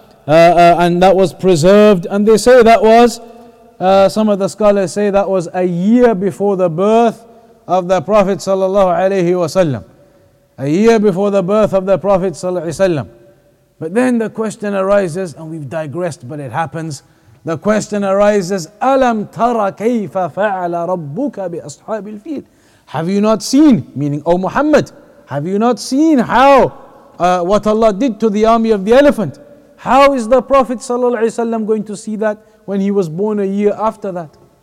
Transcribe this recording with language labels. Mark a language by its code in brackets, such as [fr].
[en] And that was preserved. And they say that was, some of the scholars say that was a year before the birth of the Prophet sallallahu alayhi wasallam. A year before the birth of the Prophet sallallahu alayhi wasallam. But then the question arises, and we've digressed, but it happens. The question arises, [ar] أَلَمْ تَرَ كَيْفَ فَعَلَ رَبُّكَ بِأَصْحَابِ الْفِيلِ. [en] Have you not seen, meaning, O Muhammad, have you not seen how, what Allah did to the army of the elephant? How is the Prophet sallallahu alayhi wasallam going to see that when he was born a year after that?